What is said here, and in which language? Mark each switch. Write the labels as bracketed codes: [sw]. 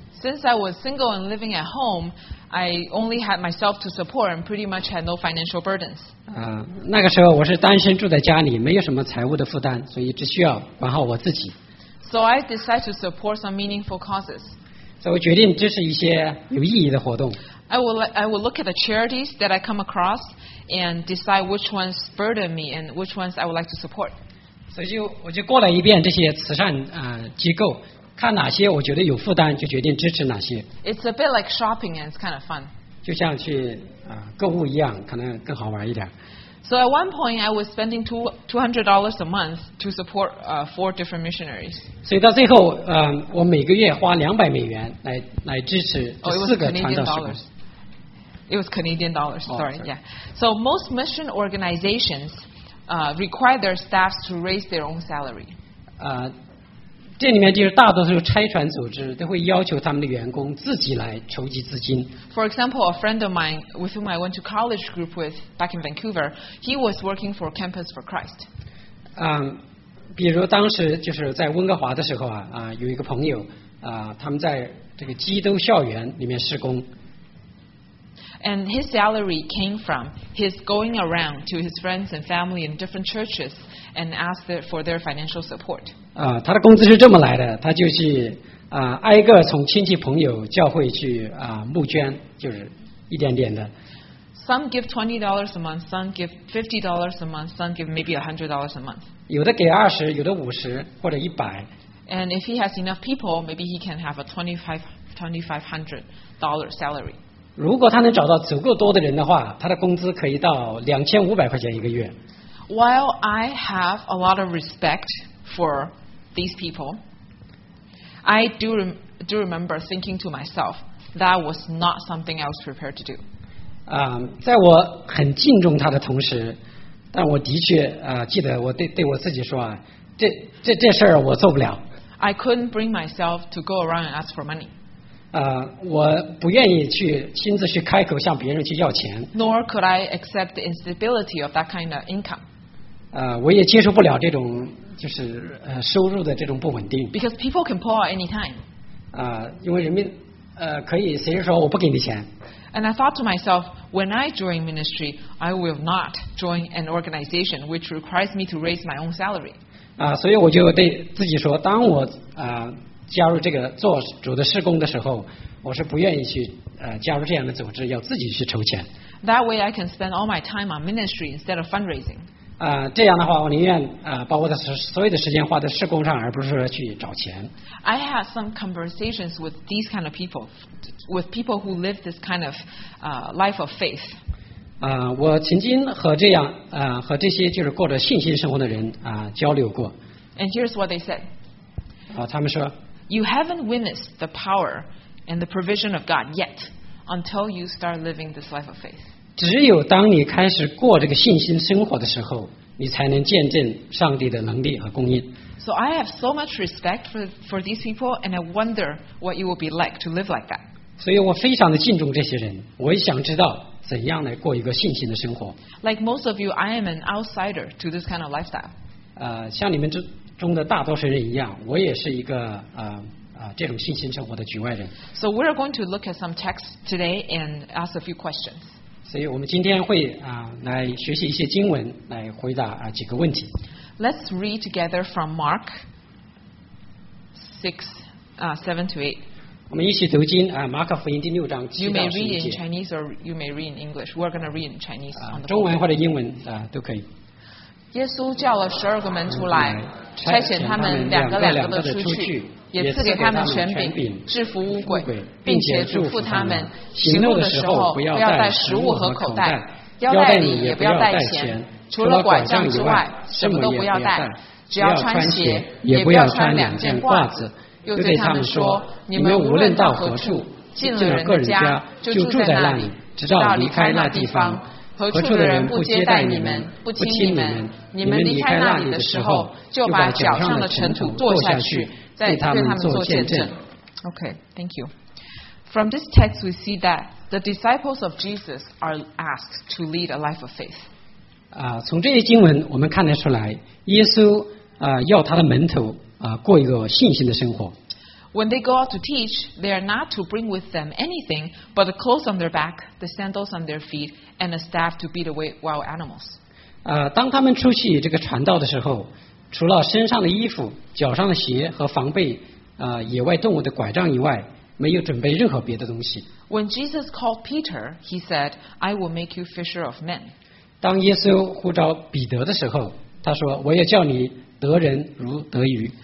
[en] Since I was single and living at home, I only had myself to support and pretty much had no financial burdens. [zh] 那个时候我是单身住在家里，没有什么财务的负担，所以只需要管好我自己。 [en] So I decided to support some meaningful causes. [zh] 所以我决定支持一些有意义的活动。 [en] I will look at the charities that I come across and decide which ones burden me and which ones I would like to support. [zh] 所以我就过了一遍这些慈善机构，看哪些我觉得有负担，就决定支持哪些。 [en] It's a bit like shopping and it's kind of fun. [zh] 就像去购物一样，可能更好玩一点。 [en] So at one point, I was spending $200 a month to support four different missionaries. [zh] 所以到最后，我每个月花$200来支持四个传道士。 [en] It was Canadian dollars. Sorry, yeah. So most mission organizations require their staffs to raise their own salary. [zh] 这里面就是大多数拆船组织都会要求他们的员工自己来筹集资金。 [en] For example, a friend of mine with whom I went to college group with back in Vancouver, he was working for Campus for Christ. [zh] 比如当时就是在温哥华的时候有一个朋友他们在这个基督校园里面施工。 [en] And his salary came from his going around to his friends and family in different churches and asked for their financial support. [zh] 他的工资是这么来的，他就去挨个从亲戚朋友教会去募捐，就是一点点的。 [en] Some give $20 a month, some give $50 a month, some give maybe $100 a month. [zh] 有的给20，有的50或者100。 [en] And if he has enough people, maybe he can have a $2,500 salary. [zh] 如果他能找到足够多的人的话，他的工资可以到$2,500一个月。 [en] While I have a lot of respect for these people, I do remember thinking to myself that was not something I was prepared to do. [zh] 在我很敬重他的同时，但我的确记得我对我自己说这事儿我做不了。 [en] I couldn't bring myself to go around and ask for money. [zh] 我不愿意去亲自去开口向别人去要钱。 [en] Nor could I accept the instability of that kind of income. [zh] 我也接受不了这种就是收入的这种不稳定。 [en] Because people can pull out any time. [zh] 因为人民可以随时说我不给你钱。 [en] And I thought to myself, when I join ministry, I will not join an organization which requires me to raise my own salary. [zh] 所以我就对自己说，当我加入这个做主的事工的时候，我是不愿意去加入这样的组织，要自己去筹钱。 [en] That way I can spend all my time on ministry instead of fundraising. [zh] 这样的话，我宁愿把我的所有的时间花在事工上，而不是说去找钱。 [en] I had some conversations with these kind of people, with people who live this kind of life of faith. [zh] 我曾经和这样和这些就是过着信心生活的人交流过。 [en] And here's what they said. [zh] 他们说 [en] You haven't witnessed the power and the provision of God yet until you start living this life of faith. [zh] 只有当你开始过这个信心生活的时候，你才能见证上帝的能力和供应。 [en] So I have so much respect for these people and I wonder what it will be like to live like that. [zh] 所以我非常的敬重这些人，我也想知道怎样来过一个信心的生活。 [en] Like most of you, I am an outsider to this kind of lifestyle. [zh] 像你们这中的大多数人一样，我也是一个这种信心生活的局外人。 [en] So we're going to look at some texts today and ask a few questions. [zh] 所以我们今天会来学习一些经文，来回答几个问题。 [en] Let's read together from Mark 6:7-8. [zh] 我们一起读经马可福音第六章七到十一节。 [en] You may read in Chinese or you may read in English. We're going to read in Chinese. [zh] 中文或者英文都可以。耶稣叫了十二个门徒来。差遣他们两个两个的出去，也赐给他们权柄制服污鬼，并且嘱咐他们行路的时候不要带食物和口袋，腰带里也不要带钱，除了拐杖之外什么都不要带，只要穿鞋，也不要穿两件褂子。又对他们说，你们无论到何处，进了个人家就住在那里，直到离开那地方。何处的人不接待你们，不亲你们，你们离开那里的时候，就把脚上的尘土跺下去，再对他们做见证。 [en] Okay, thank you. From this text, we see that The disciples of Jesus are asked to lead a life of faith. [zh] 从这些经文我们看得出来，耶稣要他的门徒过一个信心的生活。 [en] When they go out to teach, they are not to bring with them anything but the clothes on their back, the sandals on their feet, and a staff to beat away wild animals. [zh] 当他们出去这个传道的时候，除了身上的衣服、脚上的鞋和防备野外动物的拐杖以外，没有准备任何别的东西。 [en] When Jesus called Peter, he said, "I will make you fisher of men." [zh] 当耶稣呼召彼得的时候，他说，我也叫你得人如得鱼。